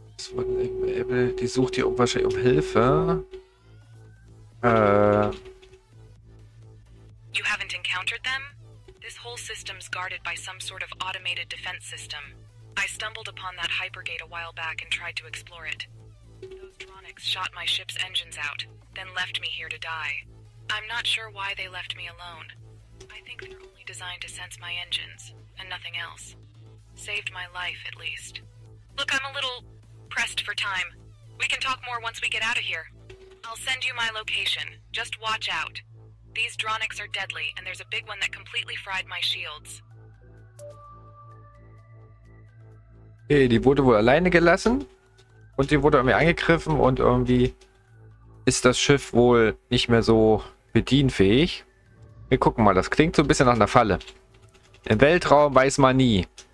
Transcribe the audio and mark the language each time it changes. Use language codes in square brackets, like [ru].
[de] Die sucht hier wahrscheinlich um Hilfe. [en] You haven't encountered them? This whole system's guarded by some sort of automated defense system. I stumbled upon that hypergate a while back and tried to explore it. Those dronics shot my ship's engines out, then left me here to die. I'm not sure why they left me alone. I think they're only designed to sense my engines and nothing else. Saved my life, at least. Look, I'm a little pressed for time. We can talk more once we get out of here. I'll send you my location. Just watch out. These dronics are deadly, and there's a big one that completely fried my shields. [de] Hey, die wurde wohl alleine gelassen und die wurde irgendwie angegriffen und irgendwie ist das Schiff wohl nicht mehr so bedienfähig. Wir gucken mal, das klingt so ein bisschen nach einer Falle. Im Weltraum weiß man nie.